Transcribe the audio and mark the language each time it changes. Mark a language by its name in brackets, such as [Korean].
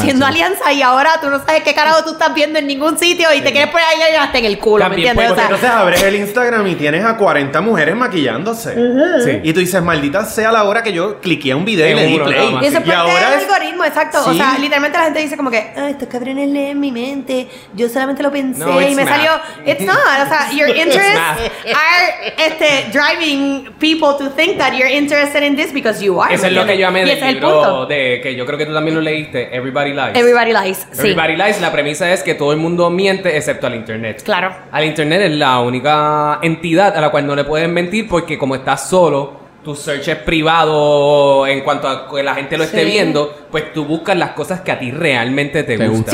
[Spanish] Haciendo alianza y ahora tú no sabes qué carajo tú estás viendo en ningún sitio y te quieres poner ahí y hasta en el culo, también, ¿me entiendes? Pues, o sea, entonces abres el Instagram y tienes a 40 mujeres maquillándose. Sí. Y tú dices, maldita sea la hora que yo cliqué un video y le di play. Y eso es parte del algoritmo, exacto. ¿Sí? O sea, literalmente la gente dice como que, ay, estos cabrones leen mi mente. Yo solamente lo pensé salió... [English] It's not. [Spanish] O sea, [English] your interests are driving people to think that you're interested in this because you are. [Spanish] Eso es lo que yo amé del libro de que yo creo que tú también lo leíste, Everybody Lies. Everybody Lies, sí. Everybody Lies, la premisa es que todo el mundo miente excepto al internet. Claro. Al internet es la única entidad a la cual no le puedes mentir porque como estás solo, tu search es privado en cuanto a que la gente lo esté viendo, pues tú buscas las cosas que a ti realmente te gustan.